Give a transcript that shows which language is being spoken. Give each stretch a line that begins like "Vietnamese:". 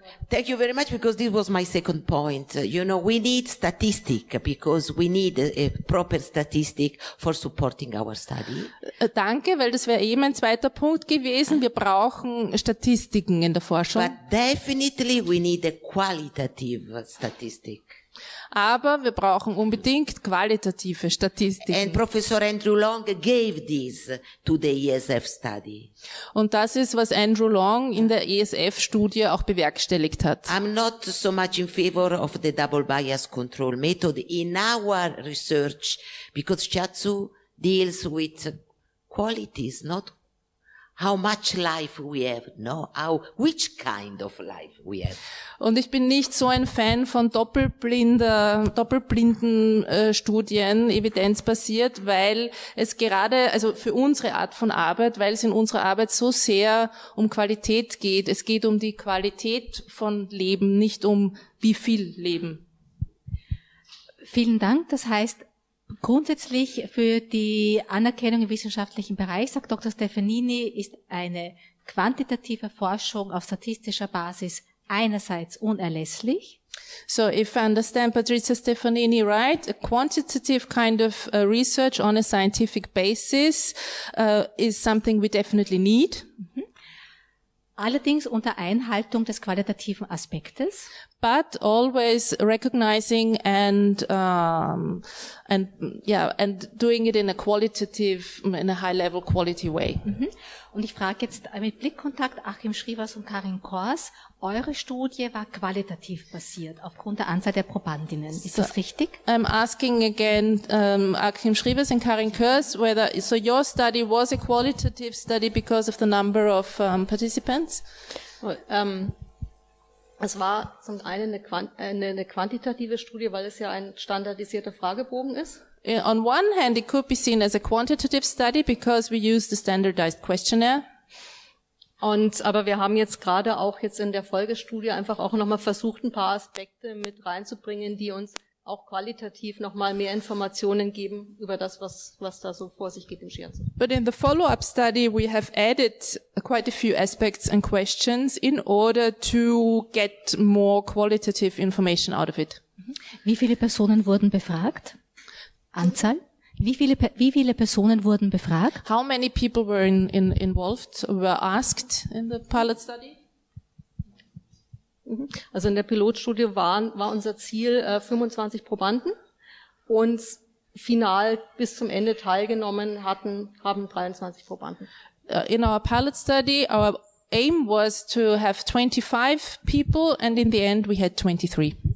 English: Thank you very much, because this was my second point. You know, we need statistic, because we need a proper statistic for supporting our study.
German: Danke, weil das wäre eben ein zweiter Punkt gewesen. Wir brauchen Statistiken in der Forschung.
English: But definitely we need a qualitative statistic.
German: Aber wir brauchen unbedingt qualitative Statistiken.
English: And Professor Andrew Long gave this to the ESF study.
German: Und das ist, was Andrew Long in der ESF-Studie auch bewerkstelligt hat.
English: I'm not so much in favor of the double bias control method in our research, because Shiatsu deals with qualities, not how much life we have, no? How, which kind of life we have.
German: Und ich bin nicht so ein Fan von doppelblinden Studien, evidenzbasiert, weil es gerade, also für unsere Art von Arbeit, weil es in unserer Arbeit so sehr um Qualität geht. Es geht um die Qualität von Leben, nicht um wie viel Leben. Vielen Dank. Das heißt, grundsätzlich für die Anerkennung im wissenschaftlichen Bereich, sagt Dr. Stefanini, ist eine quantitative Forschung auf statistischer Basis einerseits unerlässlich.
English: So, if I understand Patricia Stefanini right, a quantitative kind of research on a scientific basis is something we definitely need.
German: Allerdings unter Einhaltung des qualitativen Aspektes.
English: But always recognizing and doing it in a qualitative, in a high level quality way. Mm-hmm.
German: Und ich frage jetzt mit Blickkontakt Achim Schrievers und Karin Kors, eure Studie war qualitativ basiert aufgrund der Anzahl der Probandinnen. Ist das richtig?
English: I'm asking again, Achim Schrievers and Karin Kors, whether, so your study was a qualitative study because of the number of participants?
German: Es war zum einen eine quantitative Studie, weil es ja ein standardisierter Fragebogen ist.
English: On one hand, it could be seen as a quantitative study because we use the standardized questionnaire.
German: Aber wir haben jetzt gerade auch jetzt in der Folgestudie einfach auch nochmal versucht, ein paar Aspekte mit reinzubringen, die uns auch qualitativ nochmal mehr Informationen geben über das, was da so vor sich geht im Shiatsu.
English: But in the follow-up study, we have added quite a few aspects and questions in order to get more qualitative information out of it.
German: Wie viele Personen wurden befragt? Anzahl? Wie viele Personen wurden befragt?
English: How many people were involved, were asked in the pilot study?
German: Also in der Pilotstudie war unser Ziel 25 Probanden und final bis zum Ende teilgenommen haben 23 Probanden.
English: In our pilot study, our aim was to have 25 people and in the end we had 23.